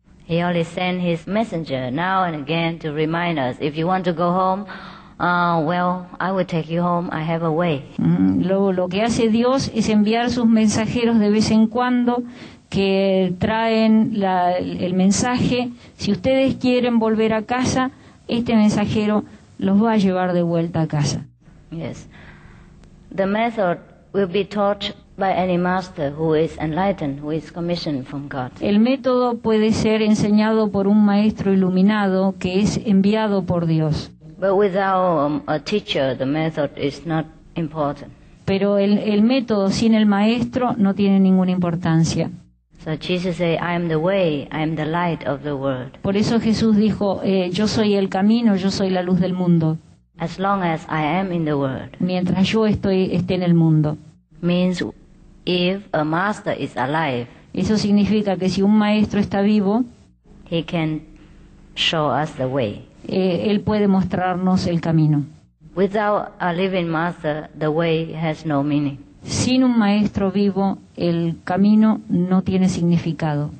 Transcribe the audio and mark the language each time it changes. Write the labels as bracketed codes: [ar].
[en] He only sends his messenger now and again to remind us, if you want to go home, I will take you home. I have a way. [es] Lo que hace Dios es enviar sus mensajeros de vez en cuando que traen el mensaje. Si ustedes quieren volver a casa, este mensajero los va a llevar de vuelta a casa. [en] Yes. The method will be taught by any master who is enlightened, who is commissioned from God. [es] El método puede ser enseñado por un maestro iluminado que es enviado por Dios. [en] But without a teacher, the method is not important. [es] Pero el método sin el maestro no tiene ninguna importancia. [en] So Jesus said, I am the way, I am the light of the world. [es] Por eso Jesús dijo, yo soy el camino, yo soy la luz del mundo. [en] As long as I am in the world. [es] Mientras yo esté en el mundo. [en] Means if a master is alive. [es] Eso significa que si un maestro está vivo, [en] he can show us the way. [es] Él puede mostrarnos el camino. [en] Without a living master, the way has no meaning. [es] Sin un maestro vivo, el camino no tiene significado.